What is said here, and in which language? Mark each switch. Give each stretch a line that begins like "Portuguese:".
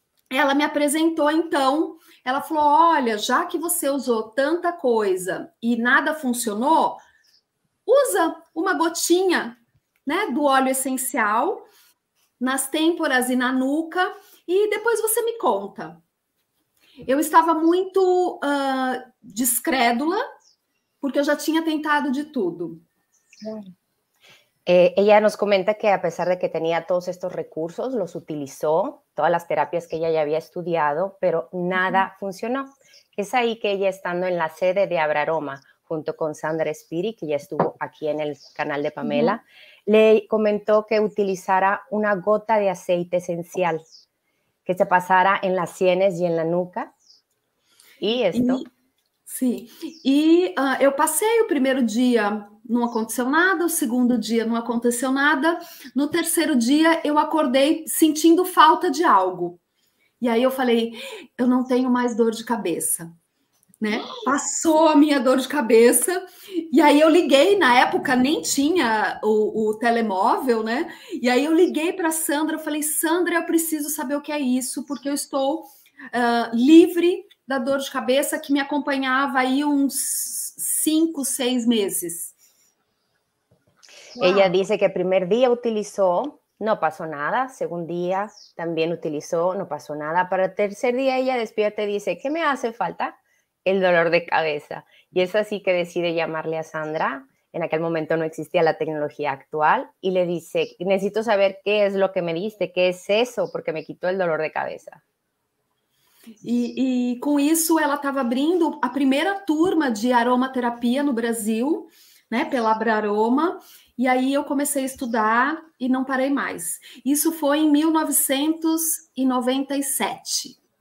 Portuguese: Ela me apresentou, então, ela falou: olha, já que você usou tanta coisa e nada funcionou, usa uma gotinha, né, do óleo essencial nas têmporas e na nuca e depois você me conta. Eu estava muito descrédula, porque eu já tinha tentado de tudo.
Spanish: Ella nos comenta que a pesar de que tenía todos estos recursos, los utilizó, todas las terapias que ella ya había estudiado, pero nada funcionó. Es ahí que ella, estando en la sede de Abraroma, junto con Sandra Spiri, que ya estuvo aquí en el canal de Pamela, le comentó que utilizara una gota de aceite esencial que se pasara en las sienes y en la nuca. Y esto...
Portuguese: Sim, e eu passei o primeiro dia, não aconteceu nada, o segundo dia não aconteceu nada, no terceiro dia eu acordei sentindo falta de algo, e aí eu falei, eu não tenho mais dor de cabeça, né, passou a minha dor de cabeça, e aí eu liguei, na época nem tinha o telemóvel, né, e aí eu liguei para a Sandra, eu falei, Sandra, eu preciso saber o que é isso, porque eu estou livre da dor de cabeça que me acompanhava aí uns 5, 6 meses.
Spanish: Ella dice que el primer día utilizó, no pasó nada. Segundo día también utilizó, no pasó nada. Para el tercer día ella despierta y dice, ¿qué me hace falta? El dolor de cabeza. Y es así que decide llamarle a Sandra. En aquel momento no existía la tecnología actual. Y le dice, necesito saber qué es lo que me diste, qué es eso, porque me quitó el dolor de cabeza.
Portuguese: E com isso ela estava abrindo a primeira turma de aromaterapia no Brasil, né, pela Abraroma, e aí eu comecei a estudar e não parei mais. Isso foi em 1997.